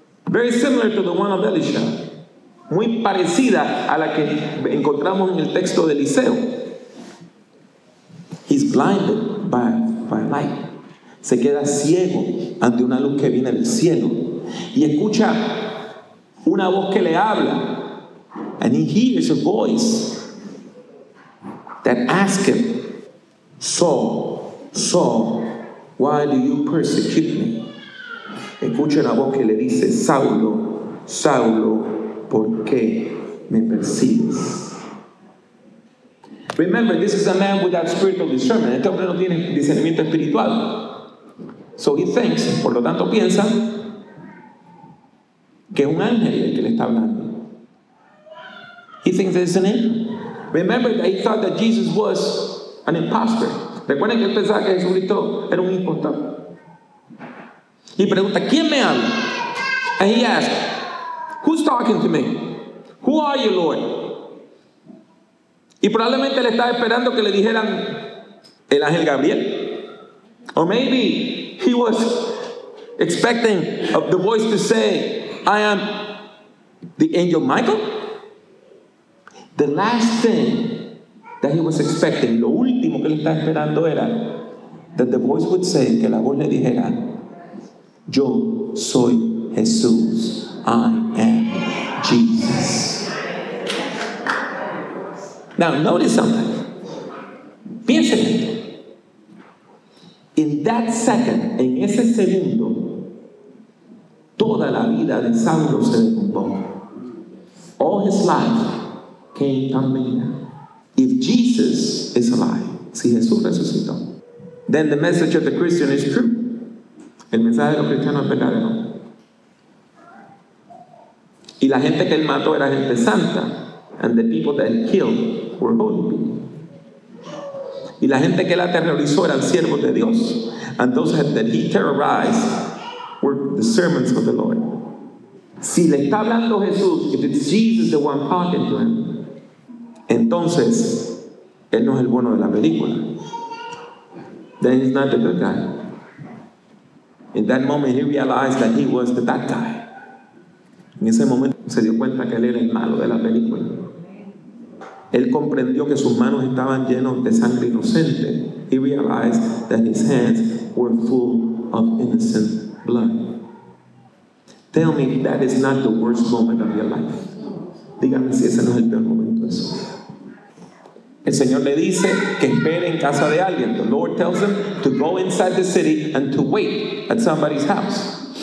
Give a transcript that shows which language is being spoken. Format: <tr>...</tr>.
<en>Very similar to the one of Elisha.</en> <es>Muy parecida a la que encontramos en el texto de Eliseo.</es> <en>He's blinded by light.</en> <es>Se queda ciego ante una luz que viene del cielo. Y escucha una voz que le habla.</es> <en>And he hears a voice that asks him, Saul, Saul, why do you persecute me?</en> <es>Escucha una voz que le dice, Saulo, Saulo, ¿por qué me persigues?</es> <en>Remember, this is a man without spiritual discernment.</en> <es>Este hombre no tiene discernimiento espiritual.</es> <en>So he thinks,</en> <es>por lo tanto piensa, que es un ángel el que le está hablando.</es> <en>He thinks it's an angel. Remember that he thought that Jesus was an imposter.</en> <es>Recuerden que él pensaba que Jesucristo era un impostor. Y pregunta, ¿quién me habla?</es> <en>And he asks, who's talking to me? Who are you, Lord?</en> <es>Y probablemente le estaba esperando que le dijeran el ángel Gabriel.</es> <en>Or maybe he was expecting the voice to say, I am the angel Michael. The last thing that he was expecting,</en> <es>lo último que él estaba esperando era</es> <en>that the voice would say,</en> <es>que la voz le dijera, yo soy Jesús.</es> <en>I am Jesus. Now notice something.</en> <es>Piensa en esto.</es> <en>In that second,</en> <es>en ese segundo, toda la vida de Saulo se derrumbó.</es> <en>All his life came tumbling down. If Jesus is alive,</en> <es>si Jesús resucitó,</es> <en>then the message of the Christian is true.</en> <es>El mensaje de los cristianos es verdadero. Y la gente que él mató era gente santa.</es> <en>And the people that he killed were holy people.</en> <es>Y la gente que él aterrorizó eran siervos de Dios.</es> <en>And those that he terrorized were the servants of the Lord.</en> <es>Si le está hablando Jesús,</es> <en>if it's Jesus the one talking to him,</en> <es>entonces, él no es el bueno de la película.</es> <en>Then he's not the good guy. In that moment, he realized that he was the bad guy.</en> <es>En ese momento, se dio cuenta que él era el malo de la película. Él comprendió que sus manos estaban llenas de sangre inocente.</es> <en>He realized that his hands were full of innocent blood. Tell me that is not the worst moment of your life.</en> <es>Dígame si ese no es el peor momento de su vida. El Señor le dice que espere en casa de alguien.</es> <en>The Lord tells him to go inside the city and to wait at somebody's house.</en>